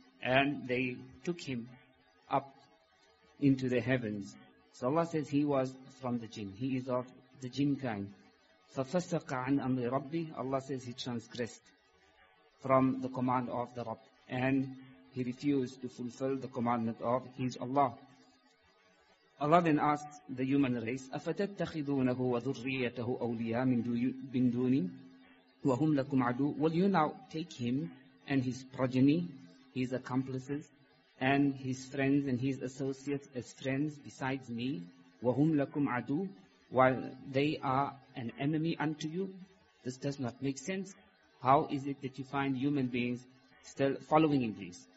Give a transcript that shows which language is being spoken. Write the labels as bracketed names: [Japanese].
[English] And they took him up into the heavens. So Allah says he was from the jinn. He is of the jinn kind. [Arabic] فَفَسَّقَ عَنْ أَمْرِ رَبِّهِ. [English] Allah says he transgressed from the command of the Rabb. And he refused to fulfill the commandment of his Allah. Allah then asked the human race, [Arabic] أَفَتَتَّخِذُونَهُ وَذُرِّيَّتَهُ أَوْلِيَاءَ مِنْ دُونِي وَهُمْ لَكُمْ عَدُوٌّ. [English] Will you now take him and his progeny, his accomplices and his friends and his associates as friends besides me, [Arabic] وَهُمْ لَكُمْ عَدُوٌّ, [English] while they are an enemy unto you? This does not make sense. How is it that you find human beings still following Iblis?